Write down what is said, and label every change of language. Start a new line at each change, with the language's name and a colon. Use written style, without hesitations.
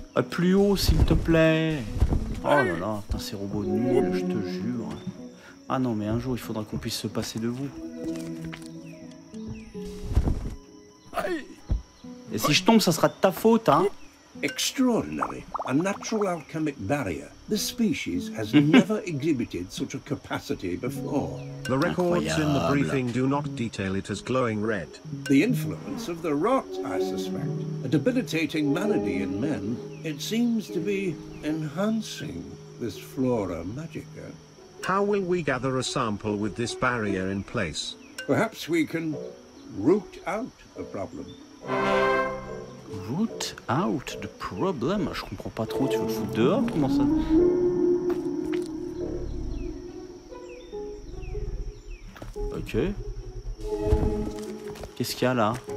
French: Plus haut, s'il te plaît. Oh là là, putain, ces robots nuls, je te jure. Ah non, mais un jour, il faudra qu'on puisse se passer de vous. Et si je tombe, ça sera de ta faute, hein.
English: Extraordinary, a natural alchemic barrier. This species has never exhibited such a capacity before. The records in the briefing do not detail it as glowing red. The influence of the rot, I suspect. A debilitating malady in men. It seems to be enhancing this flora magica. How will we gather a sample with this barrier in place? Perhaps we can root out the problem. Root out the problem.
French: Je comprends pas trop, tu veux le foutre dehors, comment ça? Ok. Qu'est-ce qu'il y a là?